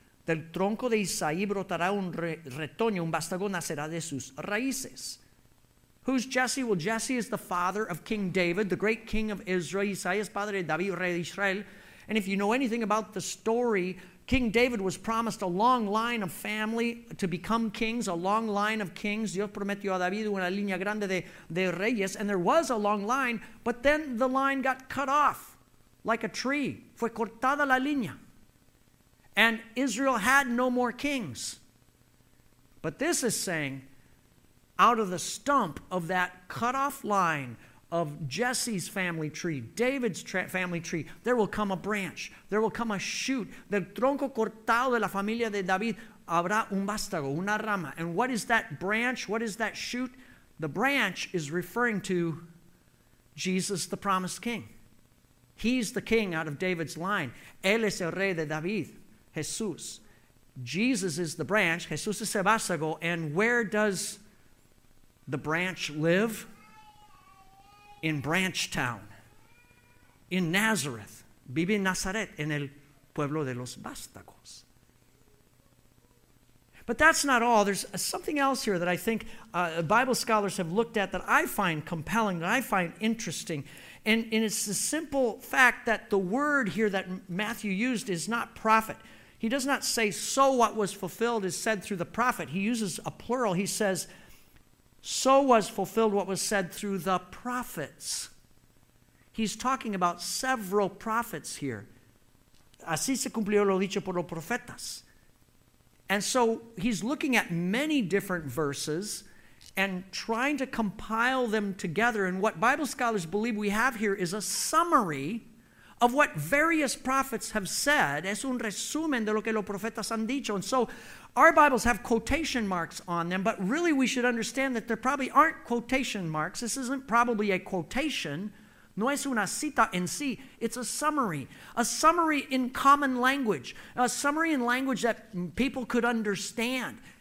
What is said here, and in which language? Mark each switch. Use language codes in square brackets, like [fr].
[es] Del tronco de Isaí brotará un retoño, un vástago nacerá de sus raíces. [en] Who's Jesse? Well, Jesse is the father of King David, the great king of Israel. [es] Isaí es padre de David, rey de Israel. [en] And if you know anything about the story, King David was promised a long line of family to become kings, a long line of kings. [es] Dios prometió a David una línea grande de reyes, [en] and there was a long line, but then the line got cut off like a tree. [es] Fue cortada la línea. [en] And Israel had no more kings. But this is saying, out of the stump of that cut off line of Jesse's family tree, David's family tree, there will come a branch. There will come a shoot. [es] Del tronco cortado de la familia de David habrá un vástago, una rama. [en] And what is that branch? What is that shoot? The branch is referring to Jesus, the promised king. He's the king out of David's line. [es] Él es el rey de David, Jesús. [en] Jesus is the branch. [es] Jesús es el vástago. [en] And where does the branch live? In Branch Town, in Nazareth. [es] Vive en Nazaret, en el pueblo de los vástagos. [en] But that's not all. There's something else here that I think Bible scholars have looked at that I find compelling, that I find interesting. And it's the simple fact that the word here that Matthew used is not prophet. He does not say, so what was fulfilled is said through the prophet. He uses a plural. He says, so was fulfilled what was said through the prophets. He's talking about several prophets here. [es] Así se cumplió lo dicho por los profetas. [en] And so he's looking at many different verses and trying to compile them together. And what Bible scholars believe we have here is a summary of what various prophets have said. [es] Es un resumen de lo que los profetas han dicho. [en] And so our Bibles have quotation marks on them, but really we should understand that there probably aren't quotation marks. This isn't probably a quotation. [es] No es una cita en sí. [en] It's a summary. A summary in common language. A summary in language that people could understand.